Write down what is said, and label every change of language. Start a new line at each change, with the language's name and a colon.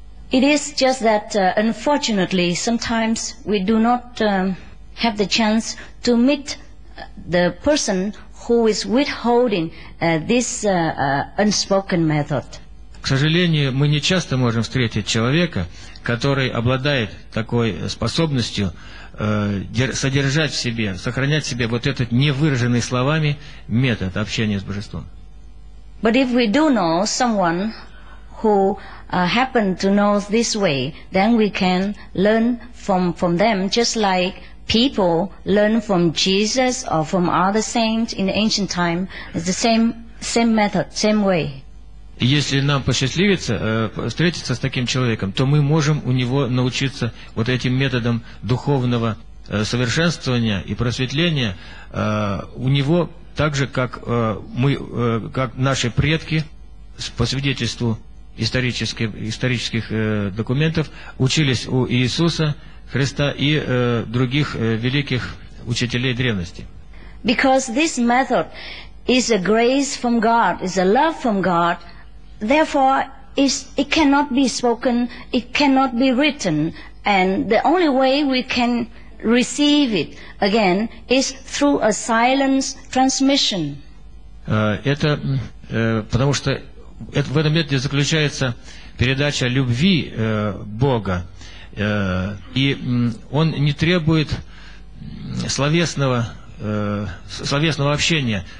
English: It is just that, unfortunately, sometimes we do not have the chance to meet the person who is withholding this unspoken method.
Russian: К сожалению, мы не часто можем встретить человека, который обладает такой способностью содержать в себе, сохранять в себе вот этот невыраженный словами метод общения с Божеством.
English: But if we do know someone who happen to know this way, then we can learn from them, just like people learn from Jesus or from other saints in the ancient time. It's the same method, same way.
Russian: Если нам посчастливится встретиться с таким человеком, то мы можем у него научиться вот этим методом духовного совершенствования и просветления у него так же, как мы, как наши предки по свидетельству исторических документов учились у Иисуса Христа и других великих учителей древности.
English: Because this method is a grace from God, is a love from God, therefore it cannot be spoken, it cannot be written, and the only way we can receive it again is through a silence transmission.
Russian: Это потому что в этом методе заключается передача любви Бога, и он не требует словесного общения.